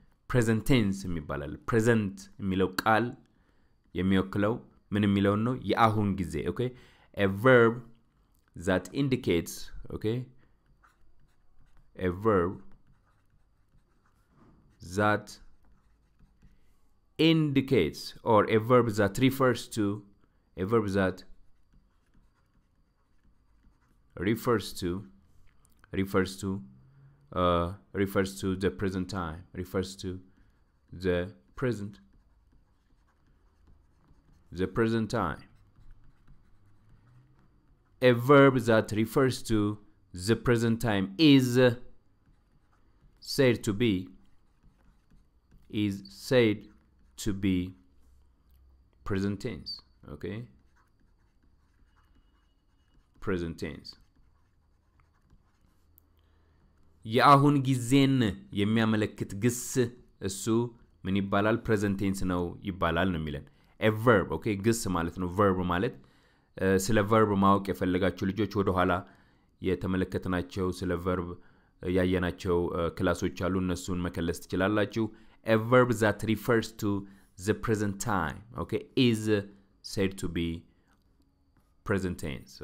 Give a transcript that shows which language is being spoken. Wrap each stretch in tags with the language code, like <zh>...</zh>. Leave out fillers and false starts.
<am>Present tense የሚባለው present የሚለው ቃል የሚወክለው ምን የሚለው ነው? የአሁን ጊዜ ኦኬ?</am> <en>A verb that indicates okay? A verb that indicates, or a verb that refers to, a verb that refers to the present time, refers to the present time. A verb that refers to the present time is said to be present tense. Okay, present tense.</en> <am>የአሁን ጊዜን የሚያመለክት ግስ እሱ ምን ይባላል? present tense ነው ይባላል ነው የሚለን።</am> <en>A verb, okay?</en> <am>ግስ ማለት ነው verb ማለት። ስለ verb ማወቅ የፈለጋችሁ ልጆች ወደ ኋላ የተመለከተናቸው ስለ verb ያየናቸው ክላሶች አሉ፣ እነሱን መከለስ ትችላላችሁ።</am> <en>A verb that refers to the present time, okay, is said to be present tense.</en>